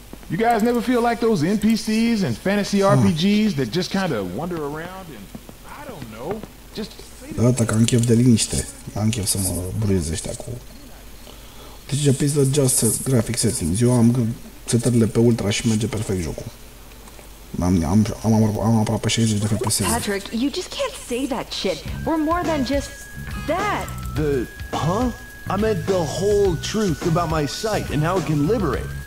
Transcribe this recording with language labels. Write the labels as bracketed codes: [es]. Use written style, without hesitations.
[en] You guys never feel like those NPCs in fantasy RPGs that just kind of wander around and... I don't know, just... [ro] Da, dacă am chef de liniște, am chef să mă bruieze ăștia cu... [en] Deci, please adjust graphic settings. [ro] Eu am setările pe ultra și merge perfect jocul. Am aproape 60 de FPS. [en] Patrick, you just can't say that shit. We're more than just that. The... huh? I meant the whole truth about my sight and how it can liberate.